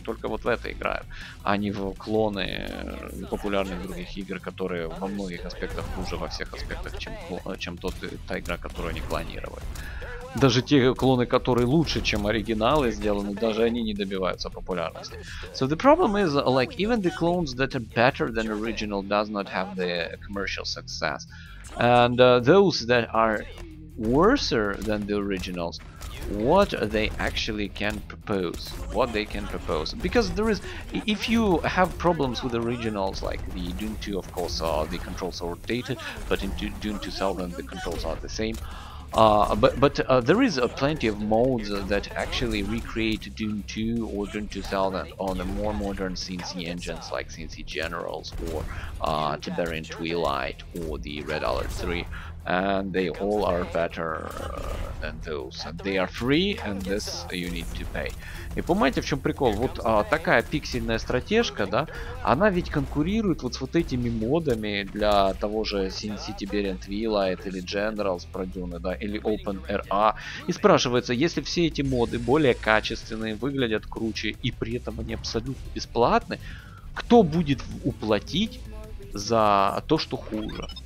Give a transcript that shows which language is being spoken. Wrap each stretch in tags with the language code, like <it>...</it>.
<ru>Только вот в это играют, а не в клоны популярных других игр, которые во многих аспектах хуже во всех аспектах, чем та игра, которую они клонировали. Даже те клоны, которые лучше, чем оригиналы сделаны, даже они не добиваются популярности.</ru> <en>So the problem is, like, even the clones that are better than original does not have the commercial success. And those that are worse than the originals, what they actually can propose? What they can propose? Because there is, if you have problems with originals, like the Dune 2, of course, the controls are outdated, but in Dune 2000, the controls are the same. But there is plenty of modes that actually recreate Doom 2 or Doom 2000 on the more modern CNC engines like CNC Generals or Tiberian Twilight or the Red Alert 3. And they all are better than those. And they are free, and this you need to pay.</en> <ru>И понимаете, в чем прикол? Вот такая пиксельная стратежка, да, она ведь конкурирует вот с вот этими модами для того же CNC Tiberian Twilight или Generals Produna, да, или OpenRA. И спрашивается, если все эти моды более качественные, выглядят круче, и при этом они абсолютно бесплатны, кто будет уплатить за то, что хуже?</ru>